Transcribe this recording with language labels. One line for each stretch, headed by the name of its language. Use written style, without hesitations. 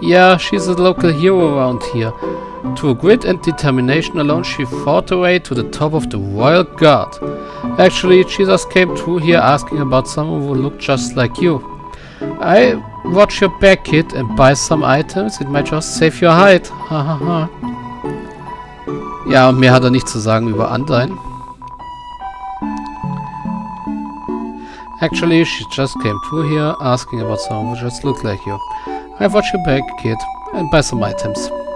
English: Yeah, she's a local hero around here. Through grit and determination alone, she fought her way to the top of the Royal Guard. Actually, she just came through here asking about someone who looked just like you. I watch your back, kid, and buy some items. It might just save your hide.
German: Ja, und mehr hat er nicht zu sagen über Undyne.
English: Actually, she just came through here asking about someone who just looked like you. I watch your back, kid, and buy some items.